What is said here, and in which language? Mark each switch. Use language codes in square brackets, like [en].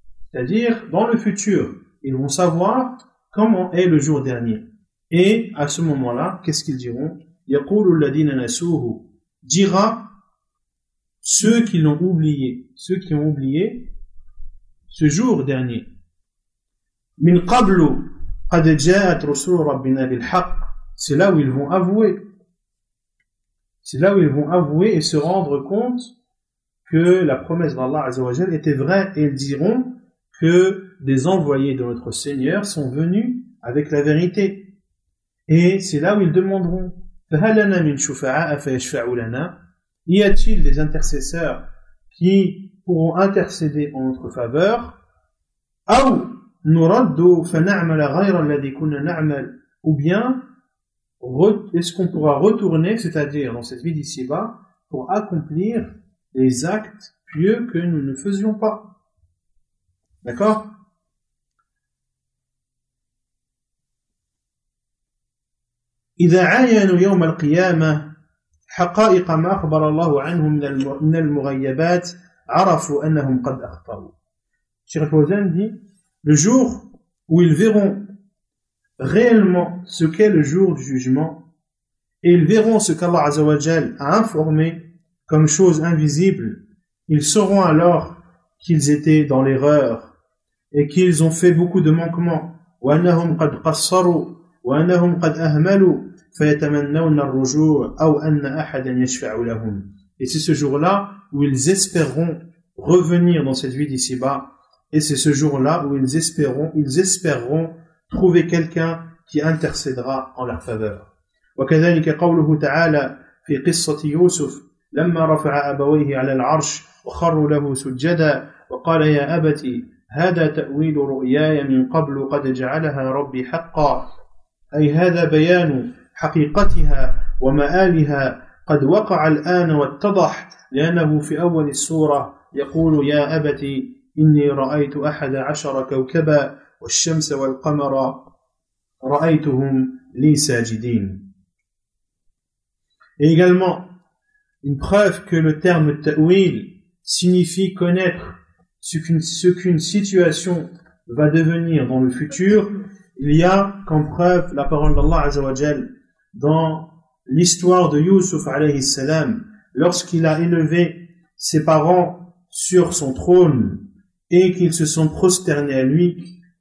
[fr] C'est-à-dire, dans le futur, ils vont savoir comment est le jour dernier. Et à ce moment-là, qu'est-ce qu'ils diront ? [ar] يَقُولُ الَّذِينَ نَسُوهُ [fr] dira ceux qui l'ont oublié, ceux qui ont oublié ce jour dernier. [ar] مِنْ قَبْلُ قَدْ جَاءَتْ رُسُلُ رَبِّنَا بِالْحَقِّ [fr] c'est là où ils vont avouer. C'est là où ils vont avouer et se rendre compte que la promesse d'Allah Azzawajal était vraie. Et ils diront que des envoyés de notre Seigneur sont venus avec la vérité. Et c'est là où ils demanderont « [ar] فَهَلَنَا مِنْ شُفَعَاءَ فَيَشْفَعُ لَنَا [fr] » Y a-t-il des intercesseurs qui pourront intercéder en notre faveur ?« [ar] أَوْ نُرَدُّ فَنَعْمَلَ غَيْرَ الَّذِي كُنَّا نَعْمَلَ [fr] » Ou bien, est-ce qu'on pourra retourner, c'est-à-dire dans cette vie d'ici-bas, pour accomplir les actes pieux que nous ne faisions pas ? D'accord ? [ar] إذا عاينوا يوم القيامة حقائق ما أخبر الله عنهم من المغيبات عرفوا أنهم قد أخطأوا. [fr] Cheikh Fawzan dit, le jour où ils verront réellement ce qu'est le jour du jugement, et ils verront ce qu'Allah Azzawajal a informé comme chose invisible, ils sauront alors qu'ils étaient dans l'erreur et qu'ils ont fait beaucoup de manquements. [ar] وأنهم قد قصروا وأنهم قد أهملوا فيتمنون الرجوع أو أن أحدا يشفع لهم. [fr] Et c'est ce jour-là où ils espéreront revenir dans cette vie d'ici-bas, et c'est ce jour-là où ils espéreront trouver quelqu'un qui intercédera en leur faveur. [ar] وكذلك قوله تعالى في قصة يوسف لما رفع أبويه على العرش وخروا له سجدا وقال يا أبتي هذا تأويل رؤياي من قبل قد جعلها ربي حقا أي هذا بيان حقيقتها ومآلها قد وقع الآن واتضح لأنه في أول السورة يقول يا أبتي إني رأيت أحد عشر كوكبا والشمس والقمر رأيتهم لي ساجدين. [fr] Et également, une preuve que le terme ta'wil signifie connaître ce qu'une situation va devenir dans le futur, il y a comme preuve la parole d'Allah Azzawajal dans l'histoire de Yusuf alayhi salam, lorsqu'il a élevé ses parents sur son trône et qu'ils se sont prosternés à lui.